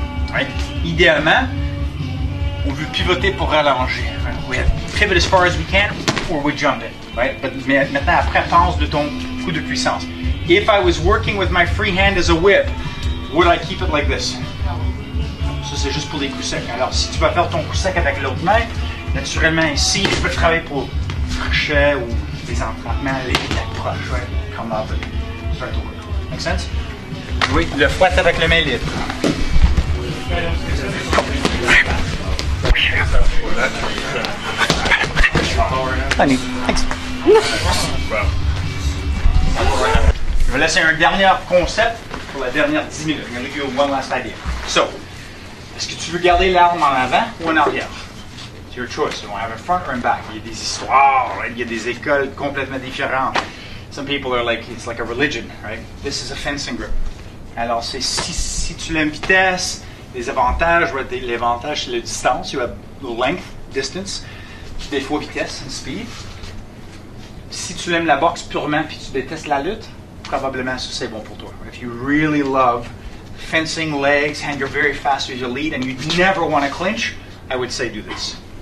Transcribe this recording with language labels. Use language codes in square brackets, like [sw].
[fr] Right? Idéalement, on veut pivoter pour rallonger. [en] We have pivot as far as we can, or we jump it. Right? But [fr] maintenant, après, pense de ton coup de puissance. [en] If I was working with my free hand as a whip, would I keep it like this? [fr] Ça, c'est juste pour les coups secs. Alors, si tu vas faire ton coup sec avec l'autre main, naturellement, ici, je peux travailler pour crochet ou des entraînements, les attaques proches, right? [en] Come up and start to work. Make sense? [fr] Oui, le fouet avec le main libre. [en] Honey, thanks. [fr] Je vais laisser un dernier concept pour la dernière 10 minutes. [en] I'm going to give you one last idea. [fr] So, est-ce que tu veux garder l'arme en avant ou en arrière? [en] It's your choice. You want to have a front or a back. [fr] Il y a des histoires, right? Il y a des écoles complètement différentes. [en] Some people are like, it's like a religion, right? This is a fencing grip. [fr] Alors, c'est si tu l'aimes vitesse, les avantages, right? L'avantage, c'est la distance. [en] You have length, distance. [fr] Des fois, vitesse, [en] and speed. [fr] Si si tu aimes la boxe purement puis tu détestes la lutte, probablement ça c'est bon pour toi. [en] If you really love fencing, legs, and you're very fast with your lead and you never want to clinch, I would say do this.